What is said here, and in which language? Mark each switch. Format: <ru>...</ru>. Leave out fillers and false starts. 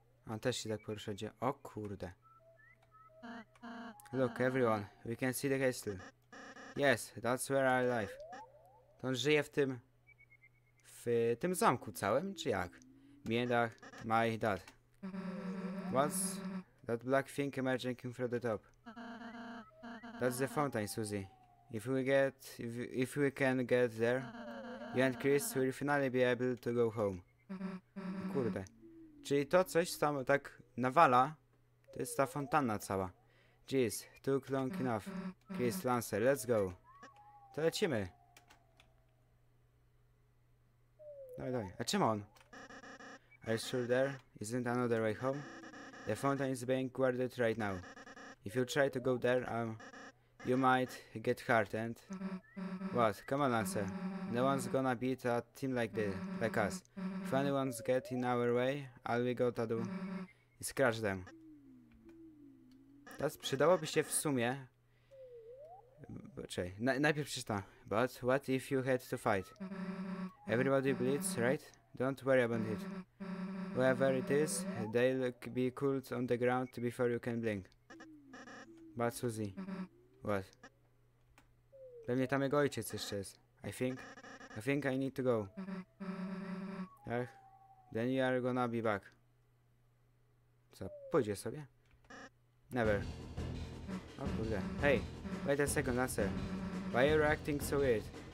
<pl>On też się tak porusza, gdzie...</pl> <en>O kurde. Look, everyone, we can see the castle. Yes, that's where I live.</en> <pl>To on żyje w tym... W tym zamku całym, czy jak?</pl> <en>Me and my dad. What's that black thing emerging from the top? That's the fountain, Susie. If we can get there, you and Chris will finally be able to go home.</en> <pl>Kurde. Czyli to coś tam tak nawala, to jest ta fontanna cała.</pl> <en>Jeez, took long enough. Chris, Lancer, let's go.</en> <pl>To lecimy. Dawaj. A czym on?</pl> <en>Are you sure there isn't another way home? The fountain is being guarded right now. If you try to go there, you might get hurt and... What? Come on, Lancer. No one's gonna beat a team like us. If anyone's get in our way, all we gotta do is crush them.</en> <pl>Teraz przydałoby się w sumie Czekaj, najpierw przeczytam.</pl> <en>But what if you had to fight? Everybody bleeds, right? Don't worry about it. Whoever it is, they'll be cooled on the ground before you can blink. But Susie, what?</en> <pl>Pewnie tam jego ojciec jeszcze jest.</pl> <en>I think I need to go.</en> <pl>Tak?</pl> <en>Then you are gonna be back.</en> <pl>Co, pójdzie sobie?</pl> <en>Never. O kurde. Hey, wait a second, answer. Why are you reacting so weird?</en>